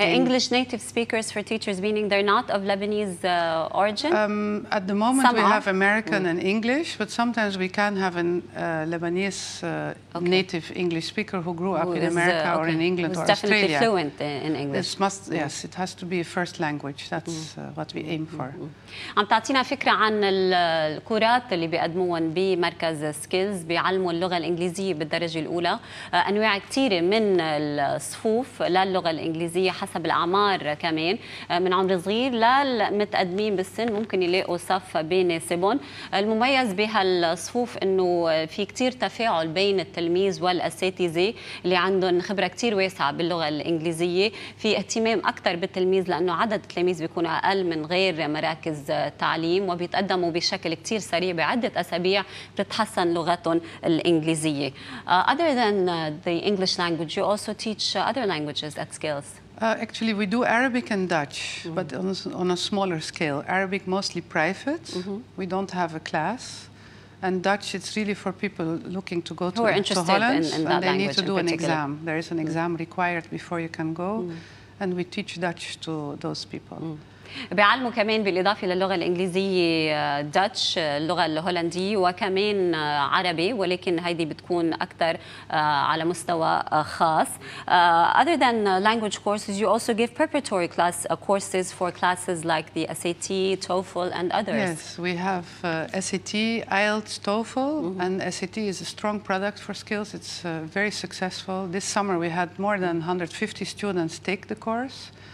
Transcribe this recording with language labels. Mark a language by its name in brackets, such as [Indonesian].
[English] English native speakers for teachers, meaning they're not of Lebanese origin? At the moment, we have American and English, but sometimes we can have a Lebanese native English speaker who grew up in America or in England or Australia. Definitely fluent in English. This must, yes, it has to be a first language. That's what we aim for. [Arabic] عم تعطينا فكرة عن الكورات اللي بيقدموهم بمركز سكيلز، بيعلموا اللغة الإنجليزية بالدرجة الأولى، أنواع كثيرة من الصفوف للغة الإنجليزية حسب الأعمار كمان، من عمر صغير للمتقدمين بالسن ممكن يلاقوا صف بيناسبهم. المميز بهالصفوف إنه في كتير تفاعل بين التلميذ والأساتذة اللي عندهم خبرة كتير واسعة باللغة الإنجليزية، في اهتمام أكتر بالتلميذ لأنه عدد التلميذ بيكون أقل من غير مراكز تعليم، وبيتقدموا بشكل كتير سريع بعدة أسابيع بتتحسن لغتهم الإنجليزية. [English] Other than the English language, you also teach other languages at Skillz. Actually, we do Arabic and Dutch, but on a smaller scale. Arabic mostly private. We don't have a class. And Dutch, it's really for people looking to go to Holland. And they need to do an exam. There is an exam required before you can go. And we teach Dutch to those people. [Arabic] بيعلموا كمان بالإضافة للغة الإنجليزية داتش، اللغة الهولندية، وكمان عربي، ولكن هذه بتكون أكثر على مستوى خاص. [English] Other than language courses, you also give preparatory class courses for classes like the SAT, TOEFL and others. Yes, we have SAT, IELTS, TOEFL, and SAT is a strong product for Skillz. It's very successful. This summer we had more than 150 students take the course.